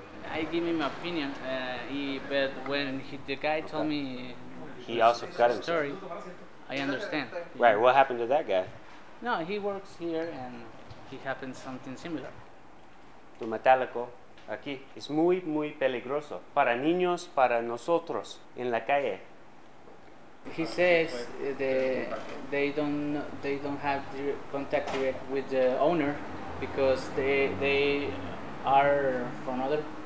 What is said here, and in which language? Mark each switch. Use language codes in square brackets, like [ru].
[en] I give him my opinion, but when the guy told me, he also cut himself. Story, I understand. Right. What happened to that guy? No, he works here, and he happened something similar. [es] Tu metálico aquí es muy, muy peligroso para niños, para nosotros en la calle. [en] He says they don't have contact direct with the owner because they are from other.